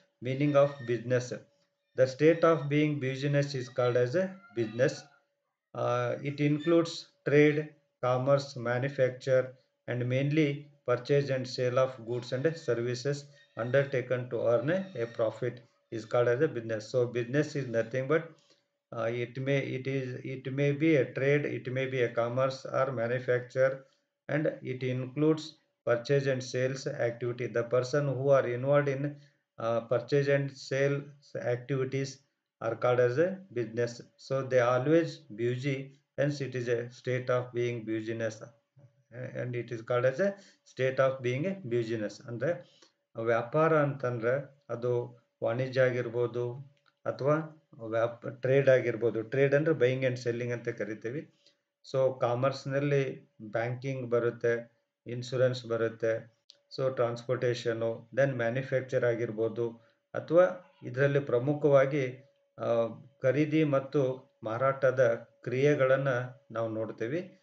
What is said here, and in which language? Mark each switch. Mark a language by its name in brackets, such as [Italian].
[English] Meaning of business: the state of being business is called as a business. It includes trade, commerce, manufacture and mainly purchase and sale of goods and services undertaken to earn a profit is called as a business. So business is nothing but it may be a trade, it may be a commerce or manufacture, and it includes purchase and sales activity. The person who are involved in purchase and sales activities are called as a business. So they are always busy, hence it is a state of being business, and it is called as a state of being a business. [Kannada] Andre vyapara antandre adu vanijya agirbodu athwa trade ಆಗಿರ್ಬೋದು. Trade ಅಂದರೆ buying and selling ಅಂತ ಕರಿತೀವಿ. So ಕಾಮರ್ಸ್ನಲ್ಲಿ banking ಬರುತ್ತೆ, insurance ಬರುತ್ತೆ, so transportation, then manufacture ಆಗಿರ್ಬೋದು, ಅಥವಾ ಇದರಲ್ಲಿ ಪ್ರಮುಖವಾಗಿ ಖರೀದಿ ಮತ್ತು ಮಾರಾಟದ ಕ್ರಿಯೆಗಳನ್ನು ನಾವು ನೋಡ್ತೀವಿ.